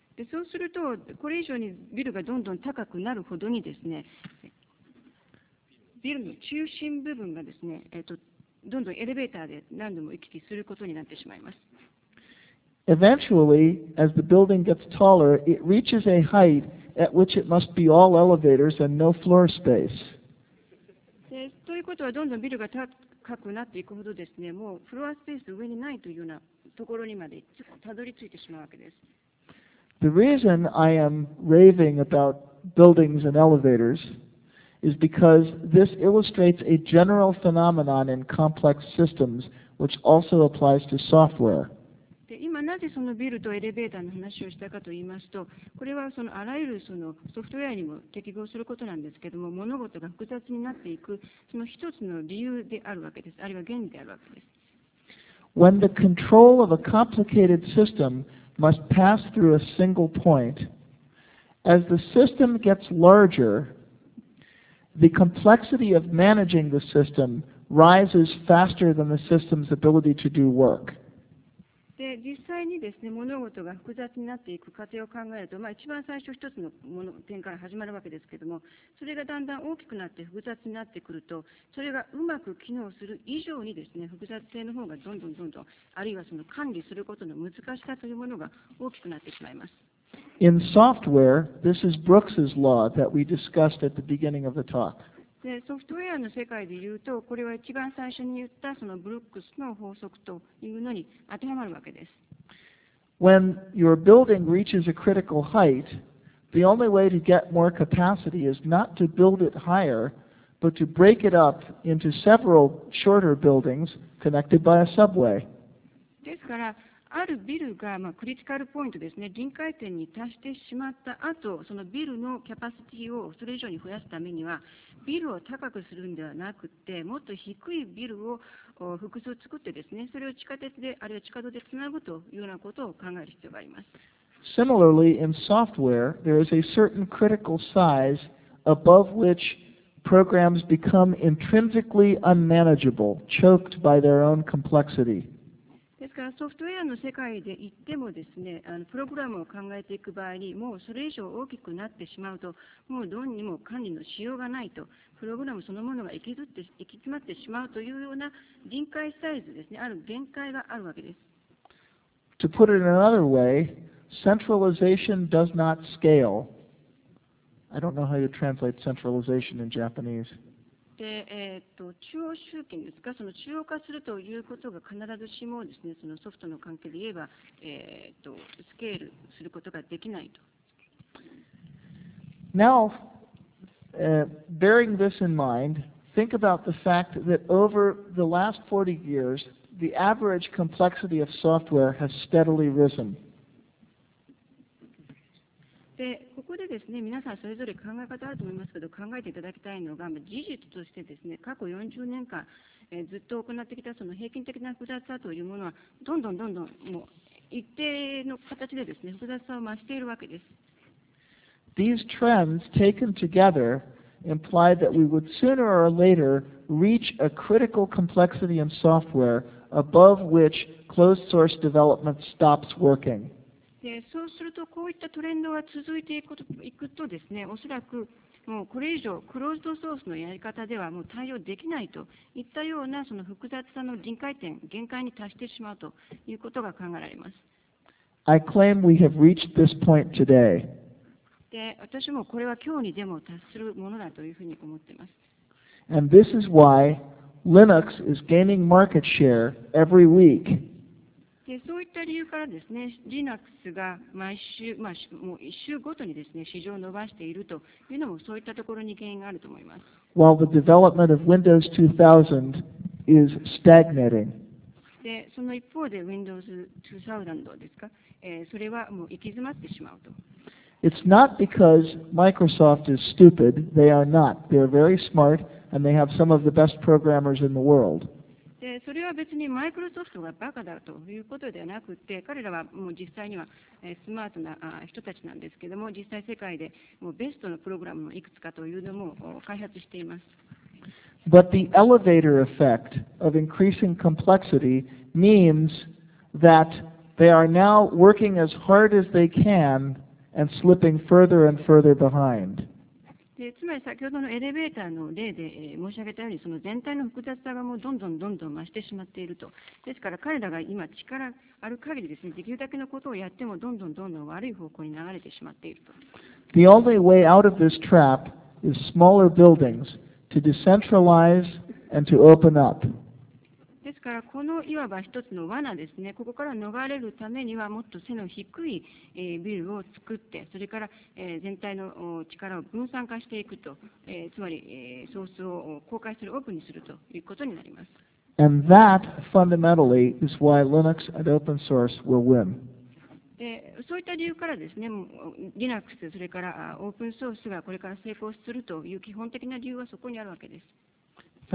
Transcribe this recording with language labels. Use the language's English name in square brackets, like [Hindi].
[Japanese] そうすると、これ以上にビルがどんどん高くなるほどにですね、ビルの中心部分がですね、どんどんエレベーターで何度も行き来することになってしまいます。 [English] Eventually, as the building gets taller, it reaches a height at which it must be all elevators and no floor space. [Japanese] ということは、どんどんビルが高くなっていくほどですね、もうフロアスペース上にないというようなところにまでたどり着いてしまうわけです。 [English] The reason I am raving about buildings and elevators is because this illustrates a general phenomenon in complex systems, which also applies to software. [Japanese] で、今なぜそのビルとエレベーターの話をしたかと言いますと、これはそのあらゆるそのソフトウェアにも適合することなんですけども、物事が複雑になっていくその一つの理由であるわけです。あるいは原理であるわけです。 [English] When the control of a complicated systemMust pass through a single point. As the system gets larger, the complexity of managing the system rises faster than the system's ability to do work. [Japanese] で、実際にですね、物事が複雑になっていく過程を考えると、まあ、一番最初一つの点から始まるわけですけれども、それがだんだん大きくなって複雑になってくると、それがうまく機能する以上にですね、複雑性の方がどんどんどんどん、あるいはその管理することの難しさというものが大きくなってしまいます。 [English] In software, this is Brooks's law that we discussed at the beginning of the talk. [Japanese] でソフトウェアの世界で言うと、これは一番最初に言ったそのブルックスの法則というのに当てはまるわけです。 [English] When your building reaches a critical height, the only way to get more capacity is not to build it higher, but to break it up into several shorter buildings connected by a subway. [Japanese] ですから、あるビルが、まあ、クリティカルポイントですね、臨界点に達してしまった後、そのビルのキャパシティをそれ以上に増やすためには、ビルを高くするんではなくて、もっと低いビルを複数作ってですね、それを地下鉄で、あるいは地下道でつなぐというようなことを考える必要があります。 [English] Similarly, in software, there is a certain critical size above which programs become intrinsically unmanageable, choked by their own complexity. [Japanese] ですからソフトウェアの世界で言ってもですね、プログラムを考えていく場合に、もうそれ以上大きくなってしまうと、もうどうにも管理のしようがないと、プログラムそのものが行き詰まってしまうというような臨界サイズですね、ある限界があるわけです。 [English] To put it another way, centralization does not scale. I don't know how you translate centralization in Japanese. [Japanese] で中央集権ですか、その中央化するということが必ずしもですね、そのソフトの関係で言えば、スケールすることができないと。 [English] Now, bearing this in mind, think about the fact that over the last 40 years, the average complexity of software has steadily risen. [Japanese] でここでですね、皆さんそれぞれ考え方あると思いますけど、考えていただきたいのが、事実としてですね、過去40年間、ずっと行ってきたその平均的な複雑さというものは、どんどんどんどんもう一定の形でですね、複雑さを増しているわけです。 [English] These trends taken together imply that we would sooner or later reach a critical complexity in software above which closed source development stops working. [Japanese] でそうすると、こういったトレンドが続いていくとですね、おそらくもうこれ以上、クローズドソースのやり方ではもう対応できないといったようなその複雑さの臨界点、限界に達してしまうということが考えられます。 [English] I claim we have reached this point today. [Japanese] で私もこれは今日にでも達するものだというふうに思っています。 [English] And this is why Linux is gaining market share every week. [Japanese] でそういった理由からですね、Linux が毎週、まあ、もう1週ごとにですね、市場を伸ばしているというのも、そういったところに原因があると思います。 [English] While the development of Windows 2000 is stagnating. [Japanese] で、その一方で Windows 2000ですか、それはもう行き詰まってしまうと。 [English] It's not because Microsoft is stupid. They are not. They are very smart, and they have some of the best programmers in the world. [Japanese] でそれは別にマイクロソフトがバカだということではなくて、彼らはもう実際にはスマートな人たちなんですけども、実際世界でもうベストのプログラムのいくつかというのも開発しています。 [English] But the elevator effect of increasing complexity means that they are now working as hard as they can and slipping further and further behind. [Japanese] つまり先ほどのエレベーターの例で申し上げたように、その全体の複雑さがもうどんどんどんどん増してしまっていると。ですから彼らが今力ある限りですね、できるだけのことをやってもどんどんどんどん悪い方向に流れてしまっていると。 [English] The only way out of this trap is smaller buildings to decentralize and to open up. [Japanese] ですからこのいわば一つの罠ですね、ここから逃れるためにはもっと背の低いビルを作って、それから全体の力を分散化していくと、つまりソースを公開する、オープンにするということになります。 [English] And that fundamentally is why Linux and open source will win. [Japanese] でそういった理由からですね、Linux、それからオープンソースがこれから成功するという基本的な理由はそこにあるわけです。